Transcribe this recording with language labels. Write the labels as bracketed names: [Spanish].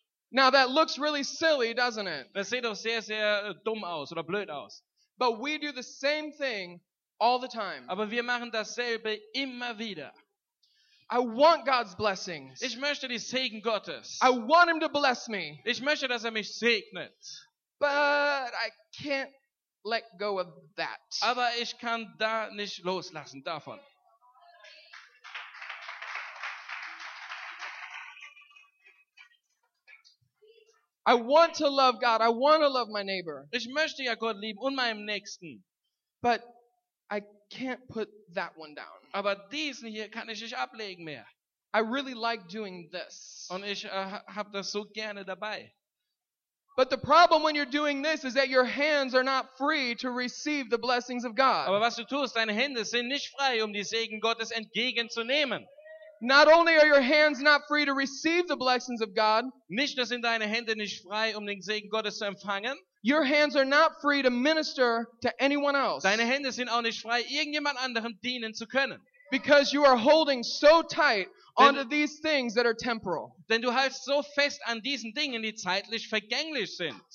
[English] Now that looks really silly, doesn't it? [German] Das sieht doch sehr dumm aus oder blöd aus. [English] But we do the same thing all the time. [German] Aber wir machen dasselbe immer wieder. [English] I want God's blessings. [German] Ich möchte die Segen Gottes. [English] I want him to bless me. [German] Ich möchte, dass mich segnet. [English] But I can't let go of that. [German] Aber ich kann da nicht loslassen davon. [English] I want to love God. I want to love my neighbor. [German] Ich möchte ja Gott lieben und meinem Nächsten. [English] But I can't put that one down. [German] Aber diesen hier kann ich nicht ablegen mehr. [English] I really like doing this. [German] Und ich hab das so gerne dabei. [English] But the problem when you're doing this is that your hands are not free to receive the blessings of God. [German] Aber was du tust, deine Hände sind nicht frei, die Segen Gottes entgegenzunehmen. [English] Not only are your hands not free to receive the blessings of God, [German] nicht nur sind deine Hände nicht frei, den Segen Gottes zu empfangen. [English] Your hands are not free to minister to anyone else. [German] Deine Hände sind auch nicht frei, irgendjemand anderem dienen zu können. [English] Because you are holding so tight onto these things that are temporal. [German] Denn du hältst so fest an diesen Dingen, die zeitlich vergänglich sind.